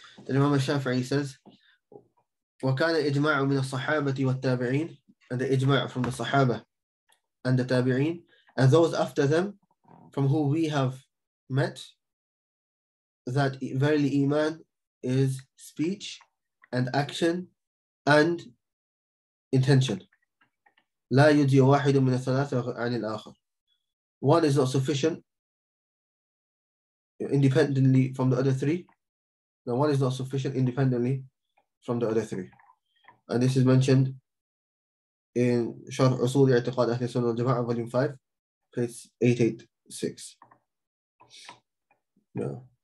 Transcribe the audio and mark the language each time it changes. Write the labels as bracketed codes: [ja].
[en] الإمام الشافعي says, [ar] وكان إجماع من الصحابة والتابعين, [en] and the إجماع from the صحابة and the تابعين, and those after them from who we have met, that verily Iman is speech and action and intention. [ar] لا يجزي واحد من الثلاثة عن الآخر. [en] One is not sufficient independently from the other three. The one is not sufficient independently from the other three. And this is mentioned in Sharh Usool al-I'tiqad Ahli Sunnah al-Jama'ah, volume 5, page 886. Yeah.